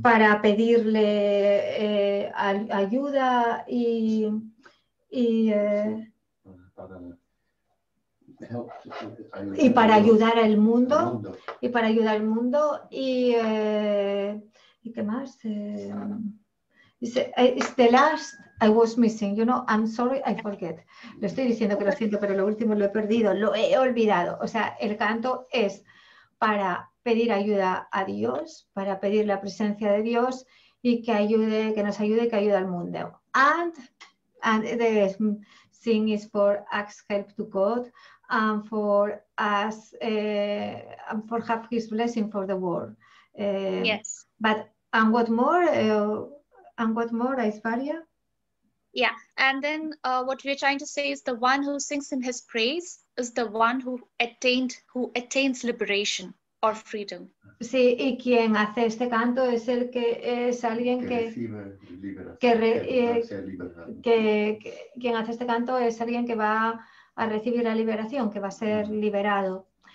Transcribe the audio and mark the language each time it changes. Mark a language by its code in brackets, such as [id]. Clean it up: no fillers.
[es] Para pedirle ayuda y y para ayudar al mundo, y para ayudar al mundo, y qué más. [en] It's the last I was missing, you know, I'm sorry, I forget. [es] Lo estoy diciendo que lo siento, pero lo último lo he perdido, lo he olvidado. O sea, el canto es para pedir ayuda a Dios, para pedir la presencia de Dios y que ayude, que nos ayude, que ayude al mundo. [en] And the thing is for ask help to God and for us and for have his blessing for the world. Yes. But and what more? And what more, Aishwarya? Yeah, and then what we're trying to say is the one who sings in his praise is the one who attains liberation or freedom. [es] Sí, y quien hace este canto es el que es alguien que recibe liberación, que quien hace este canto es alguien que va a recibir la liberación, que va a ser liberado.